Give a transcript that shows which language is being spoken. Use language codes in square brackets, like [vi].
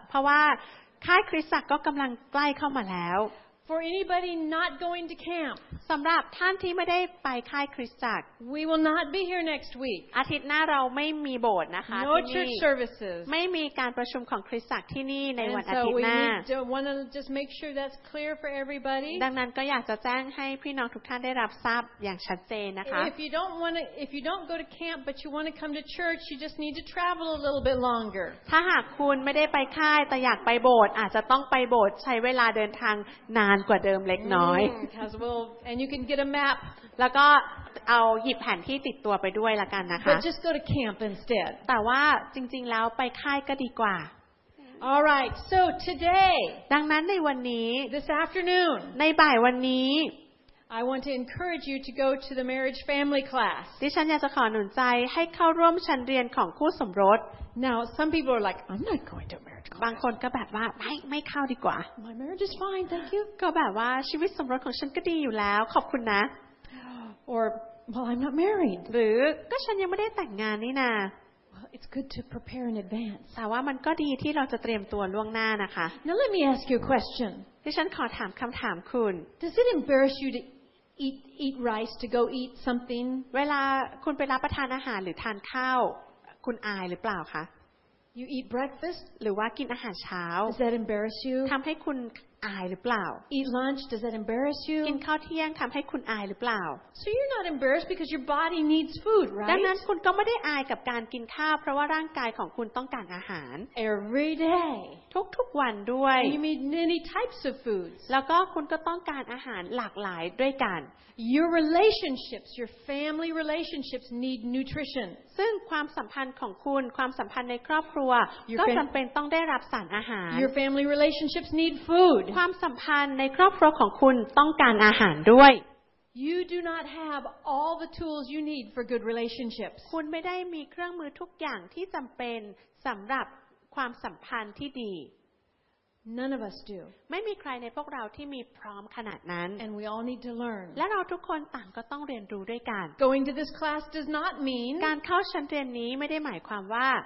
[th] เพราะว่าค่ายคริสตจักรก็กำลังใกล้เข้ามาแล้ว [en] For anybody not going to camp. [th] สำหรับท่านที่ไม่ได้ไปค่ายคริสตจักร [en] We will not be here next week. [th] อาทิตย์หน้าเราไม่มีโบสถ์นะคะ [en] No church services. [th] ไม่มีการประชุมของคริสตจักรที่นี่ในวันอาทิตย์หน้า [en] And so we want to just make sure that's clear for everybody. [th] ดังนั้นก็อยากจะแจ้งให้พี่น้องทุกท่านได้รับทราบอย่างชัดเจนนะคะ [en] If you don't go to camp but you want to come to church, you just need to travel a little bit longer. [th] ถ้าหากคุณไม่ได้ไปค่ายแต่อยากไปโบสถ์อาจจะต้องไปโบสถ์ใช้เวลาเดินทางนานกว่าเดิมเล็กน้อย [en] and you can get a map [th] แล้วก็เอาหยิบแผนที่ติดตัวไปด้วยละกันนะคะ [en] but just go to camp instead [th] แต่ว่าจริงๆแล้วไปค่ายก็ดีกว่า [en] all right so today [th] ดังนั้นในวันนี้ [en] this afternoon [th] ในบ่ายวันนี้ [en] I want to encourage you to go to the marriage family class [th] ดิฉันอยากจะขอหนุนใจให้เข้าร่วมชั้นเรียนของคู่สมรส [en] now some people are like I'm not going to marriage [th] บางคนก็แบบว่าไม่เข้าดีกว่า [en] My marriage is fine, thank you. [th] ก็แบบว่าชีวิตสมรสของฉันก็ดีอยู่แล้วขอบคุณนะ [en] Or well, I'm not married. [th] หรือก็ฉันยังไม่ได้แต่งงานนี่นะ [en] Well, it's good to prepare in advance. [th] แต่ว่ามันก็ดีที่เราจะเตรียมตัวล่วงหน้านะคะ [en] Now let me ask you a question. [th] ดิฉันขอถามคำถามคุณ [en] Does it embarrass you to eat rice to go eat something? [th] เวลาคุณไปรับประทานอาหารหรือทานข้าวคุณอายหรือเปล่าคะ [en] You eat breakfast [th] หรือว่ากินอาหารเช้า [en] Does that embarrass you [th] ทำให้คุณอายหรือเปล่า [en] Eat lunch does that embarrass you [th] กินข้าวเที่ยงทำให้คุณอายหรือเปล่า [en] So you're not embarrassed because your body needs food right [th] ดังนั้นคุณก็ไม่ได้อายกับการกินข้าวเพราะว่าร่างกายของคุณต้องการอาหาร [en] Every day [th] ทุกๆวันด้วย [en] You need many types of foods [th] แล้วก็คุณก็ต้องการอาหารหลากหลายด้วยกัน [en] Your relationships your family relationships need nutrition [th] ซึ่งความสัมพันธ์ของคุณความสัมพันธ์ในครอบครัวก็จำเป็นต้องได้รับสารอาหาร [en] Your family relationships need food [th] ความสัมพันธ์ในครอบครัวของคุณต้องการอาหารด้วย [en] You do not have all the tools you need for good relationships [th] คุณไม่ได้มีเครื่องมือทุกอย่างที่จำเป็นสำหรับความสัมพันธ์ที่ดี [en] None of us do [th] ไม่มีใครในพวกเราที่มีพร้อมขนาดนั้น [en] And we all need to learn [th] และเราทุกคนต่างก็ต้องเรียนรู้ด้วยกัน [en] Going to this class does not mean [th] การเข้าชั้นเรียนนี้ไม่ได้หมายความว่า